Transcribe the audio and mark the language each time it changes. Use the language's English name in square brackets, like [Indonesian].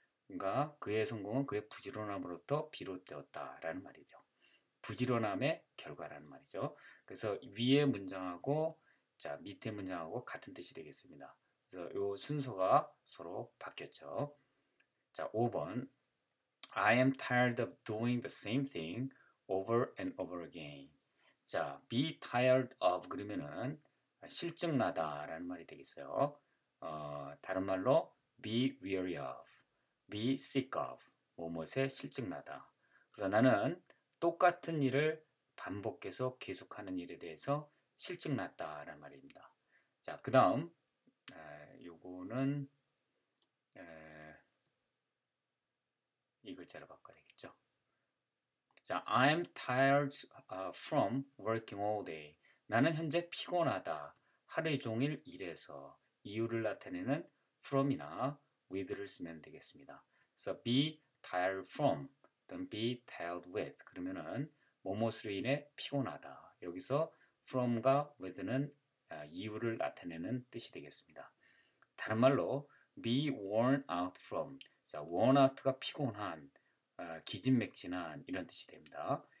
[Korean] 그러니까 그의 성공은 그의 부지런함으로부터 비롯되었다라는 말이죠. 부지런함의 결과라는 말이죠. 그래서 위의 문장하고 자, 밑의 문장하고 같은 뜻이 되겠습니다. 그래서 요 순서가 서로 바뀌었죠. 자, 5번. [English] I am tired of doing the same thing over and over again. [Korean] 자, be tired of 그러면은 싫증나다라는 말이 되겠어요. 다른 말로 be weary of, be sick of, 뭐뭇에 싫증나다. 그래서 나는 똑같은 일을 반복해서 계속하는 일에 대해서 싫증났다라는 말입니다. 자, 그 다음 요거는 이 글자로 바꿔야 되겠죠. 자, I'm tired [English] From working all day. 나는 현재 피곤하다. [Korean] 하루 종일 일해서. 이유를 나타내는 from이나 with를 쓰면 되겠습니다. [English] So be tired from, then be tired with. [Korean] 그러면은 무엇으로 인해 피곤하다. 여기서 from과 with는 이유를 나타내는 뜻이 되겠습니다. 다른 말로 be worn out from. So worn out 가 피곤한, 기진맥진한 이런 뜻이 됩니다.